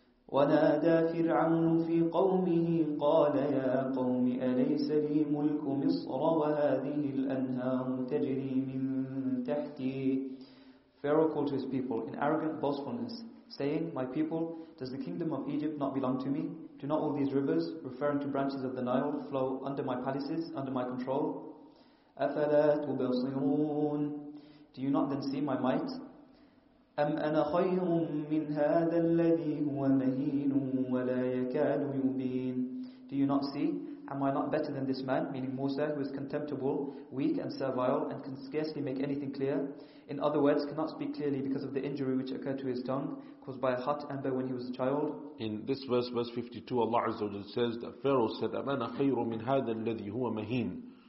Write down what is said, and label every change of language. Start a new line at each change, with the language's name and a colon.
Arabic: وَنَادَى فِرْعَوْنُ فِي قَوْمِهِ قَالَ يَا قَوْمِ أَلَيْسَ لِي مُلْكُ مِصْرَ وَهَذِهِ الْأَنْهَارُ تَجْرِي مِنْ تَحْتِي.
English: Pharaoh called to his people in arrogant boastfulness, saying, My people, does the kingdom of Egypt not belong to me? Do not all these rivers, referring to branches of the Nile, flow under my palaces, under my control?
Arabic: أفلا تبصرون.
English: Do you not then see my might?
Arabic: أم أنا خير من هذا الذي هو مهين ولا يكاد يبين.
English: Do you not see? Am I not better than this man, meaning Musa, who is contemptible, weak and servile, and can scarcely make anything clear? In other words, cannot speak clearly because of the injury which occurred to his tongue, caused by a hot ember when he was a child. In this verse, verse 52, Allah Azza wa Jal says that Pharaoh said,
Arabic: أم أنا خير من هذا الذي هو مهين.